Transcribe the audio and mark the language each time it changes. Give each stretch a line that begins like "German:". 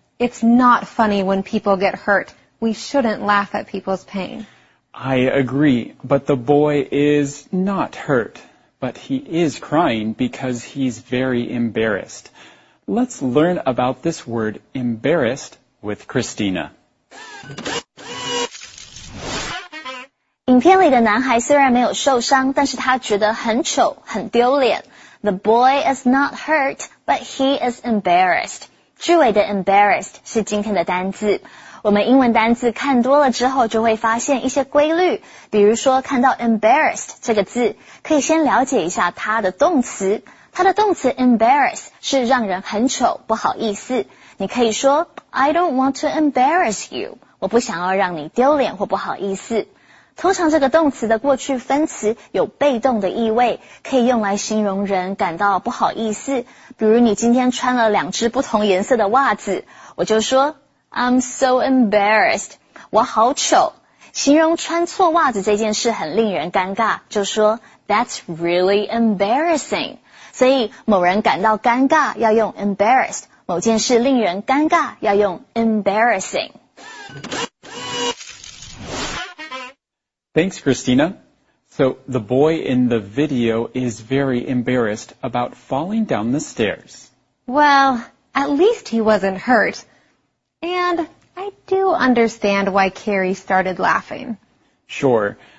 English: It's not funny when people get hurt. We shouldn't laugh at people's pain. I agree, but the boy is not hurt. But he is crying because he's very embarrassed. Let's learn about this word, embarrassed, with Christina.
Chinese: 影片里的男孩虽然没有受伤，但是他觉得很丑，很丢脸。
English: The boy is not hurt, but he is embarrassed.
Chinese: 句尾的 embarrassed 是今天的单字。我们英文单字看多了之后就会发现一些规律，比如说看到 embarrassed 这个字，可以先了解一下它的动词。它的动词 embarrass 是让人很丑，不好意思。你可以说
English: I don't want to embarrass you.
Chinese: 我不想要让你丢脸或不好意思。通常这个动词的过去分词有被动的意味，可以用来形容人感到不好意思。比如你今天穿了两只不同颜色的袜子，我就说
English: I'm so embarrassed.
Chinese: 我好丑。形容穿错袜子这件事很令人尴尬，就说
English: That's really embarrassing.
Chinese: 所以某人感到尴尬要用 embarrassed， 某件事令人尴尬要用 embarrassing。
English: Thanks, Christina. So the boy in the video is very embarrassed about falling down the stairs. Well, at least he wasn't hurt. And I do understand why Carrie started laughing. Sure.